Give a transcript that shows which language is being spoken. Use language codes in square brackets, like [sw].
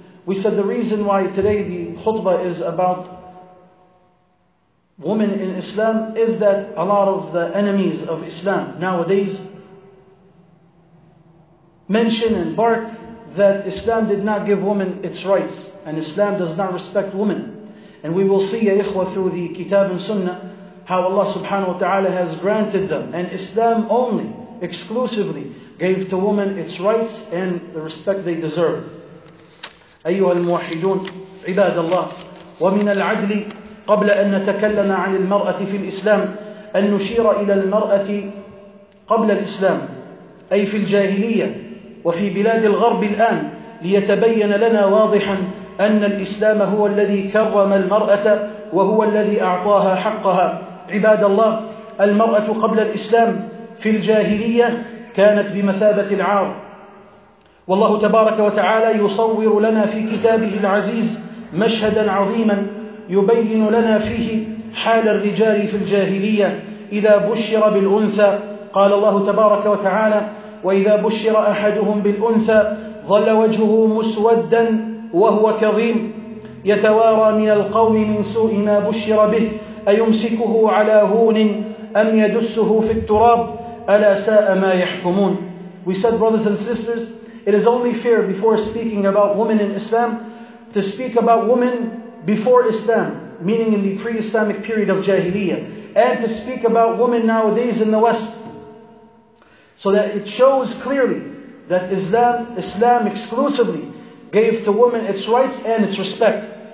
[en] We said the reason why today the khutbah is about women in Islam is that a lot of the enemies of Islam nowadays mention and bark that Islam did not give women its rights and Islam does not respect women. And we will see, [ar] ya ikhwa, [en] through the kitab and sunnah how Allah subhanahu wa ta'ala has granted them and Islam only, exclusively, gave to women its rights and the respect they deserve. [ar] أيها الموحدون عباد الله ومن العدل قبل أن نتكلم عن المرأة في الإسلام أن نشير إلى المرأة قبل الإسلام أي في الجاهلية وفي بلاد الغرب الآن ليتبين لنا واضحا أن الإسلام هو الذي كرم المرأة وهو الذي أعطاها حقها عباد الله المرأة قبل الإسلام في الجاهلية كانت بمثابة العار والله تبارك وتعالى يصور لنا في كتابه العزيز مشهدا عظيما يبين لنا فيه حال الرجال في الجاهلية إذا بشر بالأنثى. قال الله تبارك وتعالى: وإذا بشر أحدهم بالأنثى ظل وجهه مسودا وهو كظيم. يتوارى من القوم من سوء ما بشر به، أيمسكه على هون أم يدسه في التراب، ألا ساء ما يحكمون. [en] We said, brothers and sisters, it is only fair before speaking about women in Islam to speak about women before Islam, meaning in the pre-Islamic period of Jahiliyyah, and to speak about women nowadays in the West, so that it shows clearly that Islam exclusively gave to women its rights and its respect.